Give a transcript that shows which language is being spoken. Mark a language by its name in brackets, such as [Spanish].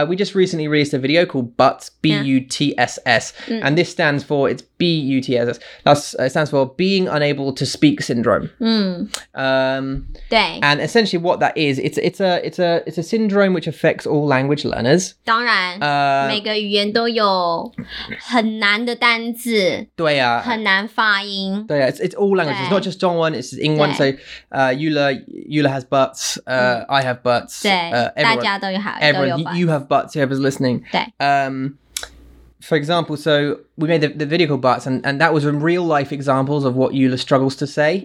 [English] We just recently released a video called Butts, B-U-T-S-S, and this stands for it's B-U-T-S-S. It stands for Being Unable to Speak Syndrome. And essentially, what that is, it's a syndrome which affects all language learners. [Chinese] 当然，每个语言都有很难的单字。对啊，很难发音。对啊， [English] it's all languages. It's not just 中文, it's 英文. So, Yula has butts. I have butts. [Chinese] 对，大家都有好， [English] everyone, [Chinese] 都有 butts. [English] You have butts. Whoever's listening. [Chinese] 对。 [English] For example, so we made the video called Butts, and that was in real life examples of what Eula struggles to say.